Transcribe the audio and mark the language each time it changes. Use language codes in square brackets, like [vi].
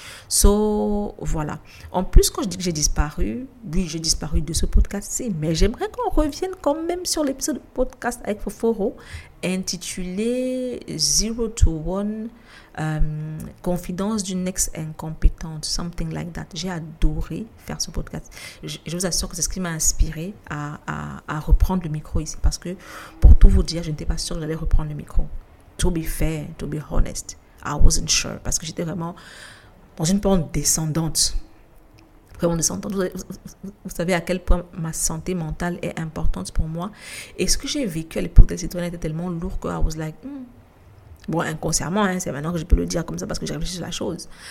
[fr] So, voilà. En plus, quand je dis que j'ai disparu, oui, j'ai disparu de ce podcast-ci, mais j'aimerais qu'on revienne quand même sur l'épisode podcast avec Foforo intitulé « Zero to One « Confidence d'une ex-incompétente », [en] something like that. [fr] J'ai adoré faire ce podcast. Je vous assure que c'est ce qui qui m'a inspiré à reprendre le micro ici. Parce que pour tout vous dire, je n'étais pas sûre que j'allais reprendre le micro. [en] To be fair, to be honest, I wasn't sure. [fr] Parce que j'étais vraiment dans une pente descendante. Vraiment descendante. Vous savez à quel point ma santé mentale est importante pour moi. Et ce que j'ai vécu à l'époque des citoyens était tellement lourd que [en] I was like, [fr] bon, inconsciemment, hein, c'est maintenant que je peux le dire comme ça parce que j'ai réfléchi à la chose.